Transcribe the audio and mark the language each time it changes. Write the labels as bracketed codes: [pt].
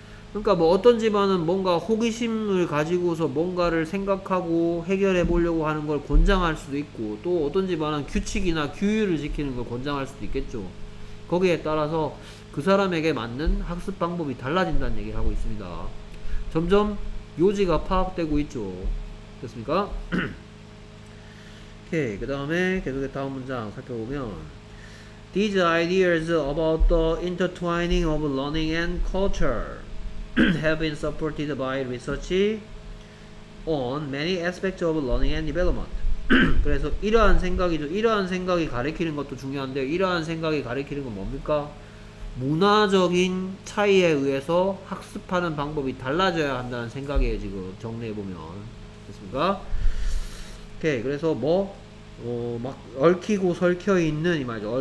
[ko] 그러니까 뭐 어떤 집안은 뭔가 호기심을 가지고서 뭔가를 생각하고 해결해 보려고 하는 걸 권장할 수도 있고, 또 어떤 집안은 규칙이나 규율을 지키는 걸 권장할 수도 있겠죠. 거기에 따라서 그 사람에게 맞는 학습 방법이 달라진다는 얘기를 하고 있습니다. 점점 요지가 파악되고 있죠. 됐습니까? 오케이. 그 다음에 계속해 다음 문장 살펴보면, [en] These ideas about the intertwining of learning and culture have been supported by research on many aspects of learning and development. [ko] 그래서 이러한 생각이죠. 이러한 생각이 가리키는 것도 중요한데, 이러한 생각이 가리키는 건 뭡니까? 문화적인 차이에 의해서 학습하는 방법이 달라져야 한다는 생각이에요, 지금 정리해보면. 됐습니까? 오케이. 그래서 뭐, 막 얽히고 설켜 있는, 이 말이죠.